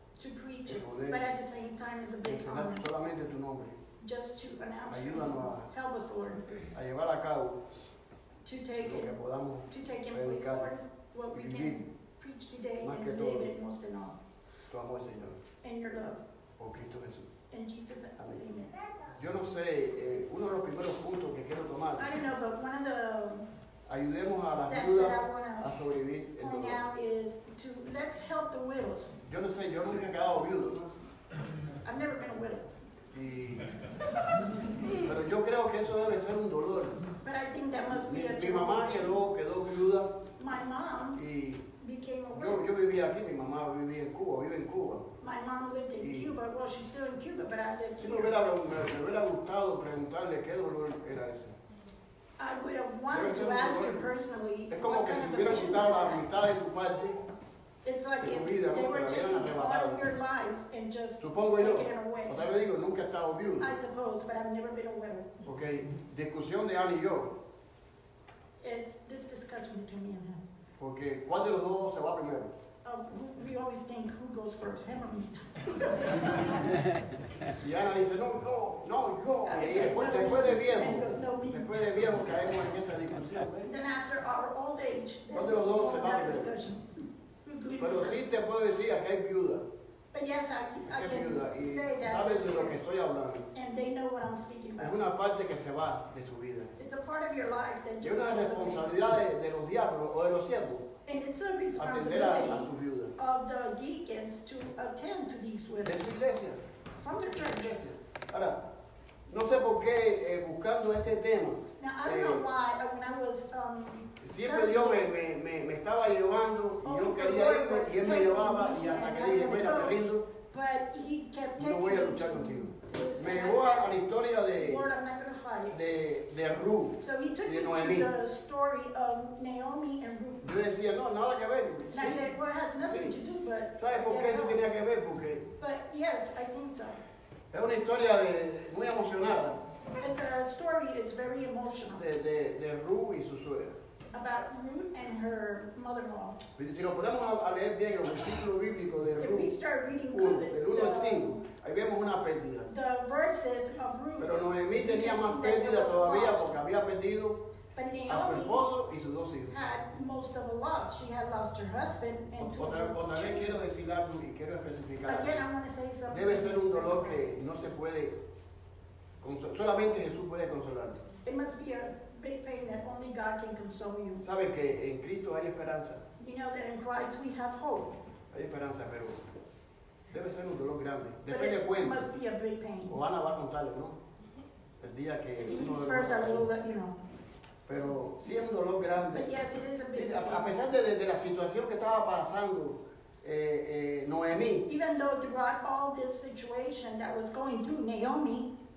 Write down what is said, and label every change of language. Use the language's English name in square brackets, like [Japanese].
[English] To preach it, but at the same time it's a big honor. [Spanish] Solamente tu nombre. [English] Just to announce. [Spanish] Ayúdanos a. [English] Help us, Lord. [Spanish] A llevar a cabo. [English] To take it. [Spanish] Lo que podamos predicar. [English] What we can preach today and live it most in all. [Spanish] Tu amor, Señor. [English] And your love. [Spanish] Por Cristo Jesús. [English] In Jesus' name. Amen. [Spanish] Yo no sé, uno de los primeros puntos que quiero tomar. [English] I don't know, but one of the [Spanish] ayudemos a la viuda a sobrevivir el dolor. [English] Now is to let's help the widows. [Spanish] Yo no sé, yo nunca he quedado viudo. [English] I've never been a widow. [Spanish] Y, pero yo creo que eso debe ser un dolor. [English] But I think that must be a [Spanish] mi mamá quedó viuda. [English] My mom. [Spanish] Y, [English] became a widow. [Spanish] Yo vivía aquí, mi mamá vivía en Cuba, vive en Cuba. [English] My mom lived in Cuba, well she's still in Cuba, but I lived here. [Spanish] Me hubiera gustado preguntarle qué dolor era ese. [English] I would have wanted to ask her personally. [Spanish] Es como [English] what [Spanish] que [English] kind of [Spanish] si hubiera quitado la mitad de tu parte. [English] It's like if they were to take part of your life and just take it away. [Spanish] Supongo yo, digo, nunca he estado viudo. [English] I suppose, but I've never been a widow. [Spanish] Okay, discusión de Ana y yo. [English] It's this discussion between me and him. [Spanish] Porque, ¿cuál de los dos se va primero? [English] We always think, who goes first, him or me? [Spanish] Y Ana dice, no, yo. Y después de viejo, después de viejo caemos en esa discusión. [English] Then after our old age, [Spanish] ¿cuál de los dos se va primero? [English] Discussion. [Spanish] Pero sí te puedo decir, acá hay viuda. [English] But yes, I can [Spanish] viuda, [English] say that. [Spanish] Sabes de lo que estoy hablando. [English] And they know what I'm speaking about. [Spanish] Es una parte que se va de su vida. [English] It's a part of your life that you're [Spanish] una responsabilidad de los diáconos o de los siervos. [English] And it's a responsibility of the deacons to attend to these widows. [Spanish] De su iglesia. [English] From the church. [Spanish] Ahora, no sé por qué buscando este tema. [English] Now, I don't know why, but when I was [Spanish] siempre Dios me estaba llevando y yo quería irme y él me llevaba y hasta que dije, mira, me rindo. No voy a luchar contigo. Me llevó a la historia de Ruth. [English] So he took me to the story of Naomi and Ruth. [Spanish] Yo decía, no, nada que ver. [English] And I said, well, it has nothing to do, but. [Spanish] ¿Sabes por qué eso tenía que ver? Porque. [English] But yes, I think so. [Spanish] Es una historia muy emocionada. [English] It's a story, it's very emotional. [Spanish] De Ruth y su suegra. [English] About Ruth and her mother-in-law. [Spanish] Si nos ponemos a leer bien el versículo bíblico de Ruth. [English] If we start reading good, [Spanish] el 1 al 5, ahí vemos una pérdida. [English] The verses of Ruth. [Spanish] Pero Noemí tenía más pérdida todavía porque había perdido a su esposo y sus dos hijos. [English] Had most of a loss. She had lost her husband and two [Spanish] Otra vez quiero decir algo y quiero especificar. [English] Again, I want to say something. [Spanish] Debe ser un dolor que no se puede consolar. Solamente Jesús puede consolar. [English] It must be a big pain that only God can console you. [Spanish] ¿Sabe que en Cristo hay esperanza? [English] You know that in Christ we have hope. [Spanish] Hay esperanza, pero debe ser un dolor grande. [English] But it must be a big pain. [Spanish] O Ana va a contarle, ¿no? El día que [English] uno first, I will let you know. [Spanish] Pero sí es un dolor grande. [English] But yes, it is a big pain. [Spanish] A pesar de la situación que estaba pasando Noemí. [English] Even though throughout all this situation that was going through Naomi.